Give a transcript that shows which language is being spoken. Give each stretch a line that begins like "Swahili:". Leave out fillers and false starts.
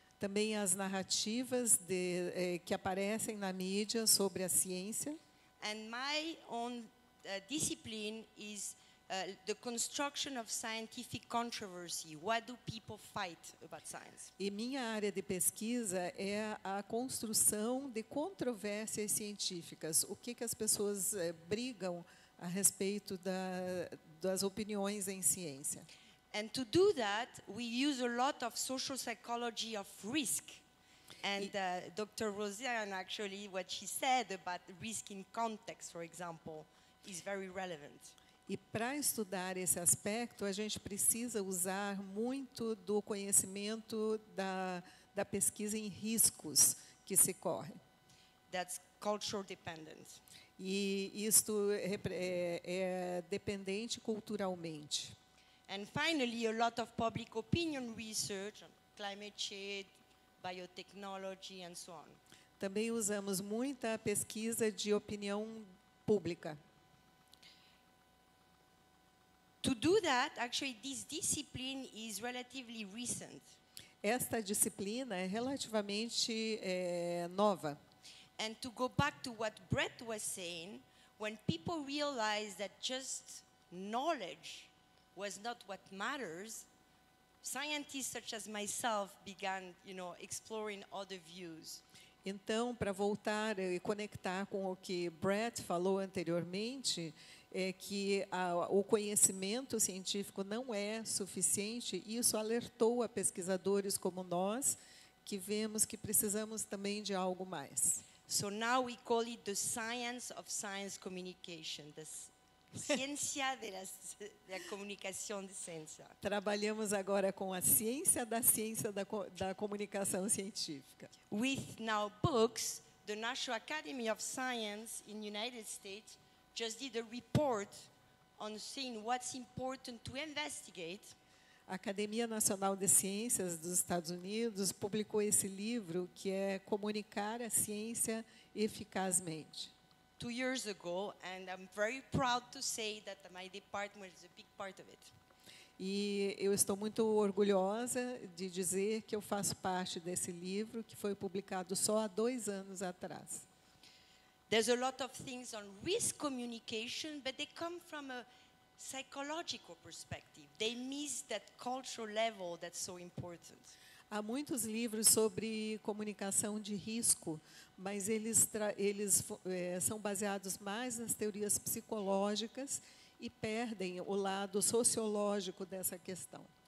Portuguese: Também as narrativas que aparecem na mídia sobre a ciência.
English: And my own discipline is the construction of scientific controversy. What do people fight about science?
Portuguese: E minha área de pesquisa é a construção de controvérsias científicas. O que as pessoas brigam a respeito das opiniões em ciência?
English: And to do that, we use a lot of social psychology of risk. And Dr. Roseanne, actually, what she said about risk in context, for example, is very relevant.
Portuguese: E para estudar esse aspecto, a gente precisa usar muito do conhecimento da pesquisa em riscos que se corre.
English: That's cultural dependent.
Portuguese: E isto é dependente culturalmente.
English: And finally, a lot of public opinion research on climate change, biotechnology and so on.
Portuguese: Também usamos muita pesquisa de opinião pública.
English: To do that, actually, this discipline is relatively recent.
Portuguese: Esta disciplina é relativamente nova.
English: And to go back to what Brett was saying, when people realize that just knowledge was not what matters, scientists such as myself began, you know, exploring other views.
Portuguese: Então, para voltar e conectar com o que Brett falou anteriormente, é que o conhecimento científico não é suficiente, e isso alertou a pesquisadores como nós, que vemos que precisamos também de algo mais.
English: So now we call it the science of science communication, the
Portuguese: Ciência da comunicação de ciência. Trabalhamos agora com a ciência da da comunicação científica.
English: With now books, the National Academy of Science in the United States just did a report on seeing what's important to investigate.
Portuguese: A Academia Nacional de Ciências dos Estados Unidos publicou esse livro que é Comunicar a Ciência Eficazmente.
English: 2 years ago, and I'm very proud to say that my department is a big part of it.
Portuguese: E eu estou muito orgulhosa de dizer que eu faço parte desse livro que foi publicado só há 2 anos atrás.
English: There's a lot of things on risk communication, but they come from a psychological perspective. They miss that cultural level that's so important.
Portuguese: Há muitos livros sobre comunicação de risco, mas eles são baseados mais nas teorias psicológicas e perdem o lado sociológico dessa questão.